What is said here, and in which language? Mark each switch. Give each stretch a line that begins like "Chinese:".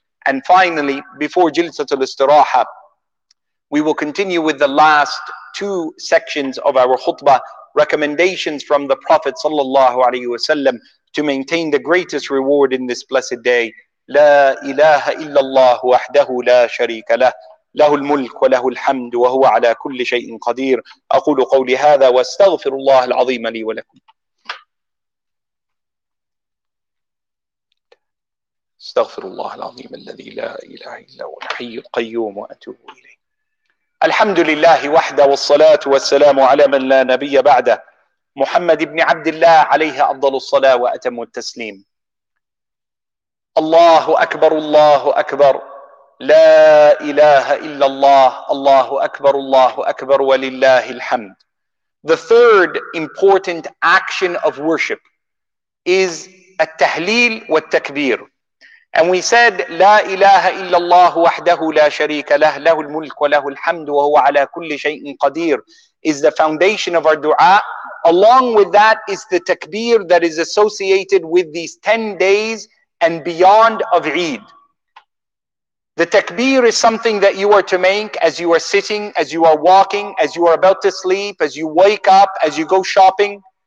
English: And finally, before Jilsatul Istiraha, we will continue with the last two sections of our khutbah, recommendations from the Prophet sallallahu alayhi wasallam to maintain the greatest reward in this blessed day.
Arabic: لَا إِلَهَ إِلَّا اللَّهُ وَحْدَهُ لَا شَرِيكَ لَهُ. له الملك وله الحمد وهو على كل شيء قدير. أقول قولي هذا واستغفر الله العظيم لي ولكم. استغفر الله العظيم الذي لا إله إلا هو الحي القيوم وأتوب إليه. الحمد لله وحده والصلاة والسلام على من لا نبي بعده محمد بن عبد الله عليه أفضل الصلاة وأتم التسليم. الله أكبر الله أكبر لا إله إلا الله. الله أكبر الله أكبر ولله الحمد.
English: The third important action of worship is
Arabic: التهليل والتكبير.
English: And we said,
Arabic: لا إله إلا الله وحده لا شريك له. له الملك وله الحمد وهو على كل شيء قدير.
English: Is the foundation of our dua. Along with that is the takbir that is associated with these 10 days and beyond of Eid. The takbir is something that you are to make as you are sitting, as you are walking, as you are about to sleep, as you wake up, as you go shopping.